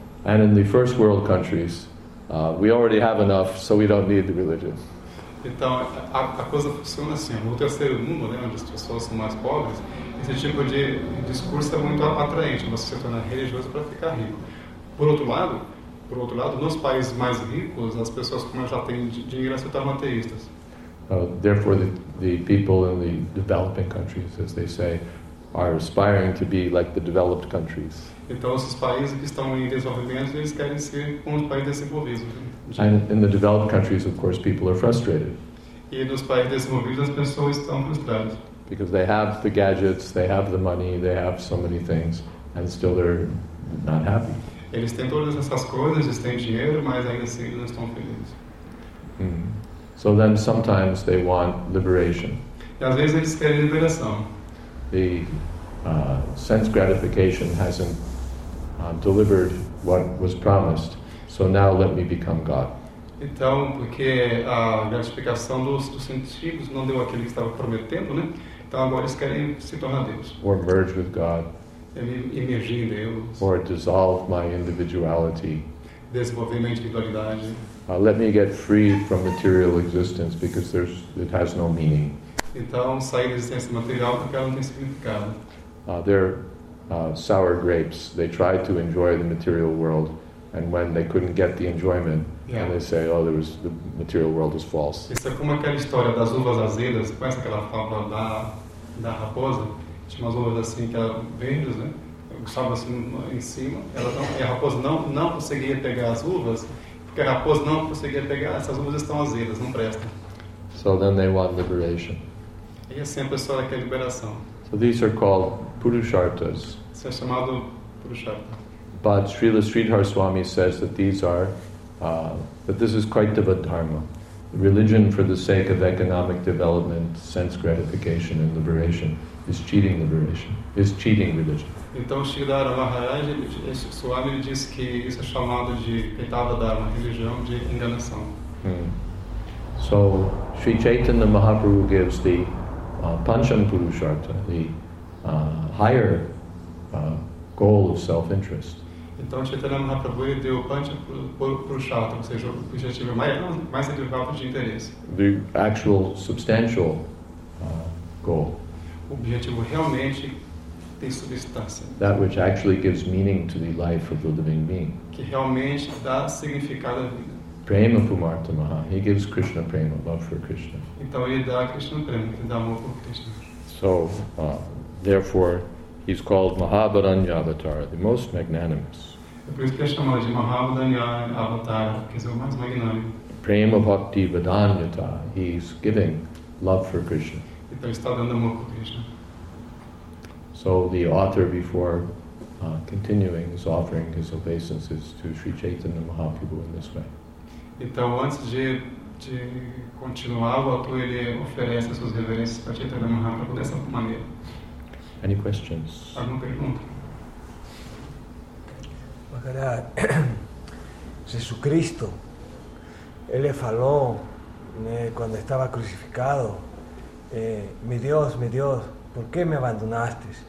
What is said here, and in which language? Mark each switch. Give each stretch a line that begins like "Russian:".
English: And in the first world countries, we already have enough, so we don't need the religion.
Portuguese: Então, a coisa funciona assim. No terceiro mundo, né, onde as pessoas são mais pobres, esse tipo de discurso é muito atraente. Você se torna religioso para ficar rico. Por outro lado, nos países mais ricos, as pessoas como já têm dinheiro se tornam ateístas.
English: Therefore, the people in the developing countries, as they say, are aspiring to be like the developed countries.
Portuguese: Então, esses países que estão em desenvolvimento, eles querem ser um país desenvolvido.
English: And in the developed countries, of course, people are frustrated.
Portuguese: E nos países desenvolvidos, as pessoas estão frustradas.
English: Because they have the gadgets, they have the money, they have so many things, and still they're not happy.
Portuguese: Eles têm todas essas coisas, eles têm dinheiro, mas ainda assim eles não estão felizes.
English: So then sometimes they want liberation.
Portuguese: E às vezes eles querem liberação.
English: The sense gratification hasn't delivered what was promised, so now let me become God.
Portuguese: Então, porque a gratificação dos sentidos não deu aquilo que estava prometendo, né? Então agora eles querem se tornar Deus.
English: Or merge with God.
Portuguese: Emergir em Deus.
English: Or dissolve my individuality.
Portuguese: Desenvolver minha individualidade.
English: Let me get free from material existence because it has no meaning.
Portuguese: Então, sair da existência material porque ela não tem significado.
English: Sour grapes. They tried to enjoy the material world, and when they couldn't get the enjoyment, and they say, oh, there was the material world is false.
Portuguese: Isso é como aquela história das uvas azedas. Conhece aquela fábula da raposa? Tinha umas uvas assim que eram verdes, né? Gostava assim em cima. E a raposa não conseguia pegar as uvas, porque a raposa não conseguia pegar. Essas uvas estão azedas, não prestam.
English: So then they want liberation.
Portuguese: E assim a pessoa quer liberação.
English: So these are called Purusharthas.
Portuguese: Isso é chamado Purusharta.
English: But Srila Sridhar Swami says that these are, that this is quite Kaitava Dharma. Religion for the sake of economic development, sense gratification and liberation is cheating religion.
Portuguese: Então Sridhar Maharaj Swami diz que isso é chamado de Kaitava Dharma, religião de enganação.
English: So Sri Chaitanya Mahaprabhu gives the Pancham Purusharta, the higher goal of self-interest.
Portuguese: Então, Chaitanya Mahaprabhu deu Pancham Purusharta, ou seja, o objetivo mais elevado de interesse.
English: The actual substantial goal.
Portuguese: O objetivo realmente tem substância.
English: That which actually gives meaning to the life of the living being.
Portuguese: Que realmente dá significado à vida.
English: Prema Pumarta Maha. He gives Krishna Prema, love for Krishna.
Portuguese: Então ele dá Krishna Prema, ele dá amor por Krishna.
English: So, therefore, he's called Mahabharanya Avatara, the most magnanimous.
Portuguese: Por isso que é chamado de Mahabharanya Avatara, que é o mais magnânimo.
English: Prema Bhakti Vedanyata. He's giving love for Krishna.
Portuguese: Então ele está dando amor por Krishna.
English: So, the author before continuing is offering his obeisances to Sri Chaitanya Mahaprabhu in this way.
Portuguese: Então, antes de continuar, o autor ele oferece as suas reverências para Chaitanya Mahaprabhu dessa maneira.
English: Any questions?
Portuguese: Alguma pergunta? Maharaj, Jesus Cristo, ele falou, né, quando estava crucificado, meu Deus, por que me abandonaste?